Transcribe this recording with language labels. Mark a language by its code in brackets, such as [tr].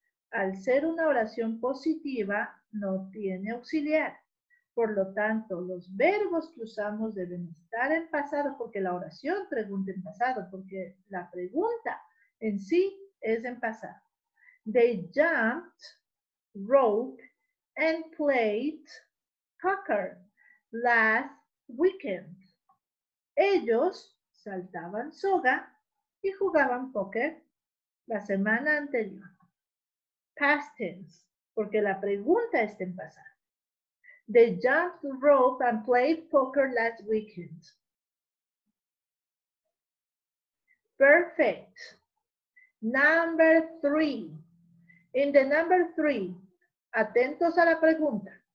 [es] Al ser una oración positiva, no tiene auxiliar. Por lo tanto, los verbos que usamos deben estar en pasado porque la oración pregunta en pasado, porque la pregunta en sí es en pasado. [en] They jumped rope and played poker last weekend. [es] Ellos saltaban soga y jugaban póker la semana anterior. [en] Past tense, [es] porque la pregunta está en pasado. [en] They jumped rope and played poker last weekend. Perfect. Number 3. In the number 3, [es] atentos a la pregunta.